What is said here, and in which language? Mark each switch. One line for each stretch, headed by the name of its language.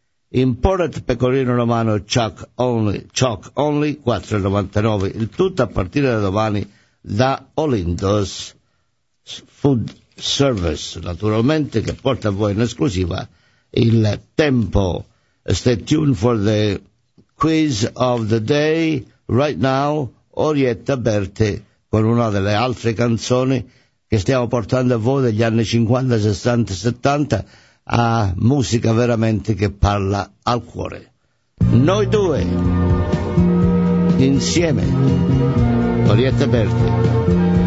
English: Imported pecorino romano chuck only, 4,99.
Italian: Il tutto a partire da domani da Olindo's Food Service, naturalmente, che porta a voi in esclusiva il tempo.
English: Stay tuned for the quiz of the day. Right now,
Italian: Orietta Berti con una delle altre canzoni che stiamo portando a voi degli anni 50, 60, 70, a musica veramente che parla al cuore. Noi due, insieme, Orietta Berti.